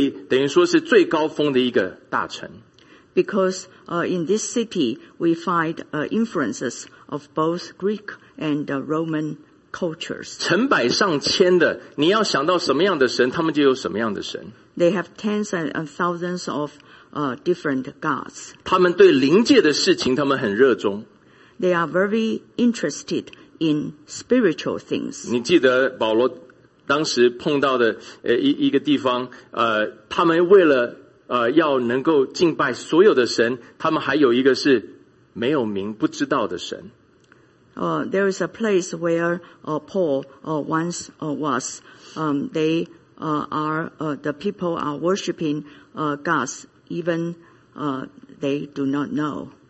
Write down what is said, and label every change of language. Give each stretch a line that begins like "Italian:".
Chinese: 因为他们完全的是一个希腊文化和罗马帝国文化的一个呈现，最等于说是最高峰的一个大城。
English: Because in this city we find influences of both Greek and Roman cultures.
Chinese: 成百上千的，你要想到什么样的神，他们就有什么样的神。
English: They have tens and thousands of different gods.
Chinese: 他们对灵界的事情，他们很热衷。
English: They are very interested in spiritual things.
Chinese: 你记得保罗当时碰到的一个地方, 他们为了要能够敬拜所有的神, 他们还有一个是没有名不知道的神。
English: There is a place where Paul once was. They are the people are worshiping gods even they do not know.